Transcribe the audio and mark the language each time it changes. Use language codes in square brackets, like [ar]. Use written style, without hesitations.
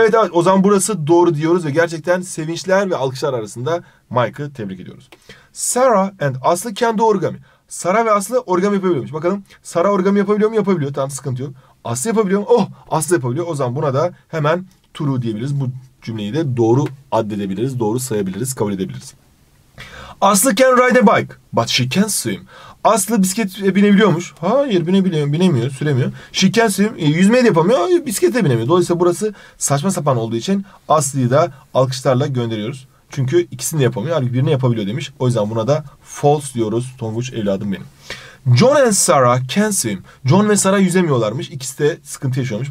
[tr] Evet, o zaman burası doğru diyoruz ve gerçekten sevinçler ve alkışlar arasında Mike'ı tebrik ediyoruz. [en] Sarah and Aslı can do origami. [tr] Sara ve Aslı origami yapabiliyormuş. Bakalım Sara origami yapabiliyor mu? Yapabiliyor. Tamam, sıkıntı yok. Aslı yapabiliyor mu? Oh, Aslı yapabiliyor. O zaman buna da hemen true diyebiliriz. Bu cümleyi de doğru addedebiliriz, doğru sayabiliriz, kabul edebiliriz. [en] Aslı can ride a bike, but she can swim. [tr] Aslı bisiklete binebiliyormuş. Hayır, binebiliyor, binemiyor, süremiyor. [en] She can swim, [tr] yüzmeyi de yapamıyor, bisiklete binemiyor. Dolayısıyla burası saçma sapan olduğu için Aslı'yı da alkışlarla gönderiyoruz. Çünkü ikisini de yapamıyor. Halbuki birini yapabiliyor demiş. O yüzden buna da false diyoruz Tonguç evladım benim. [en] John and Sarah can swim. [tr] John ve Sarah yüzemiyorlarmış. İkisi de sıkıntı yaşıyormuş.